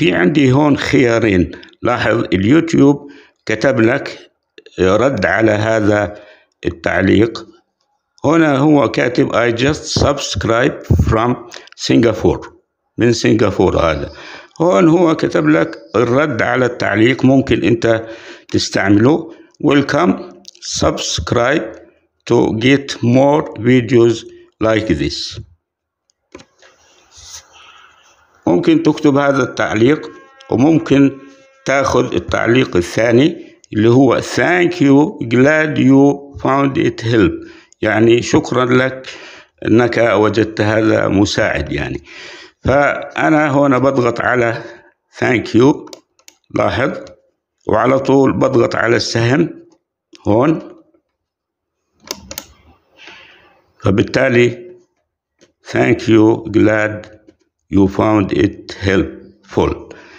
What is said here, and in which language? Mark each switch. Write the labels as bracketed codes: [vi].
[ar] في عندي هون خيارين، لاحظ اليوتيوب كتب لك رد على هذا التعليق. هنا هو كاتب [en] I just subscribe from Singapore، [ar] من سنغافورة. هذا هون هو كتب لك الرد على التعليق، ممكن انت تستعمله. [en] Welcome, subscribe to get more videos like this. [ar] ممكن تكتب هذا التعليق، وممكن تأخذ التعليق الثاني اللي هو [en] Thank you, glad you found it help، [ar] يعني شكرا لك انك وجدت هذا مساعد. يعني فأنا هنا بضغط على thank you، لاحظ، وعلى طول بضغط على السهم هون، فبالتالي [en] thank you glad you found it helpful.